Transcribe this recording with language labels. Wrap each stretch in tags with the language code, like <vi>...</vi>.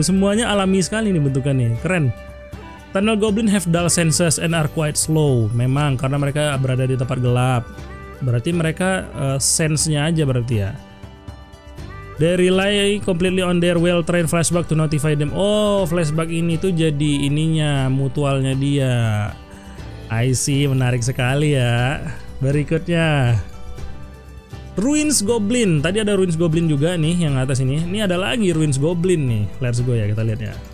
<id>Semuanya alami sekali nih bentukan nih, keren.</id> <en>Tunnel goblin have dull senses and are quite slow.</en> <id>Memang karena mereka berada di tempat gelap. Berarti mereka sense-nya aja berarti ya.</id> <en>They rely completely on their well-trained flashbug to notify them.</en> <id>Oh, flashbug ini tuh jadi ininya, mutualnya dia.</id> <en>I see,</en> <id>menarik sekali ya. Berikutnya, Ruins Goblin. Tadi ada Ruins Goblin juga nih yang atas ini. Ini ada lagi Ruins Goblin nih.</id> <en>Let's go</en> <id>ya, kita lihat ya.</id>